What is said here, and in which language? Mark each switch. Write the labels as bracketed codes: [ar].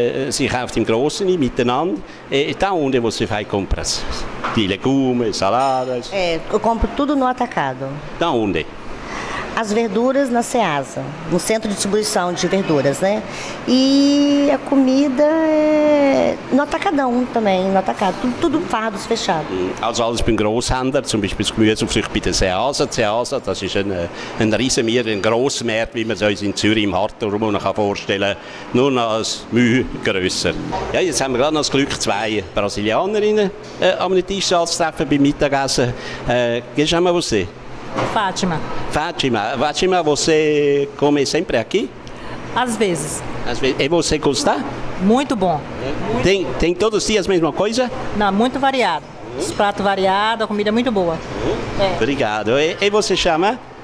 [de] Se kauft im Grossen ein, miteinander. [pt] E da onde você vai comprar? De legumes, saladas? Eu compro tudo no atacado. Da onde? as verduras na Ceasa, no centro de distribuição de verduras, né? E a comida é no atacadão também, no atacado, tudo fardos fechado. [de] Also alles beim Grosshändler, zum Beispiel das Gemüse und Früchte bei der Ceasa. Ceasa, das ist ein Riesenmeer, ein Grossmarkt, wie man es uns in Zürich im Harter rum noch vorstellen kann. Nur noch ein Mühe grösser. Ja, jetzt haben wir gerade noch das Glück, zwei Brasilianerinnen am Tisch anzutreffen beim Mittagessen. Gehst du einmal was sie? [pt] Fátima. Fátima, Fátima, você come sempre aqui? Às vezes. Às vezes. E você gosta? Muito bom. Tem todos os dias a mesma coisa? Não, muito variado. Os pratos variados, a comida é muito boa. Obrigado. E você chama?